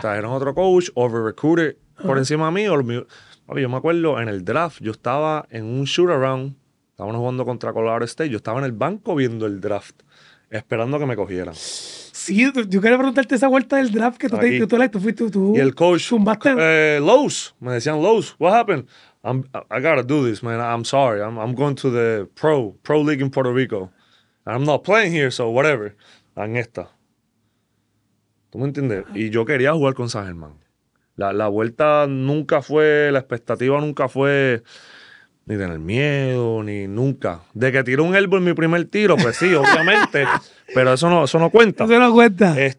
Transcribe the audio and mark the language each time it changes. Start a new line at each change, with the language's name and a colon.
Spanish: Trajeron otro coach, over-recruited. Por encima mío, yo me acuerdo en el draft, yo estaba en un shoot-around, estábamos jugando contra Colorado State, yo estaba en el banco viendo el draft, esperando que me cogieran. Sí, yo quería preguntarte esa vuelta del draft que aquí. tú fuiste. Y el coach, Lowe's, me decían, Lowe's,
English: what happened? I gotta do this, man, I'm sorry, I'm going to the pro league in Puerto Rico. I'm not playing here, so whatever.
Spanish: En esta. ¿Tú me entiendes? Y yo quería jugar con San Germán. La vuelta nunca fue, la expectativa nunca fue ni tener miedo, ni nunca. De que tiré un elbow en mi primer tiro, pues sí, obviamente. Pero eso no cuenta. Eso no cuenta.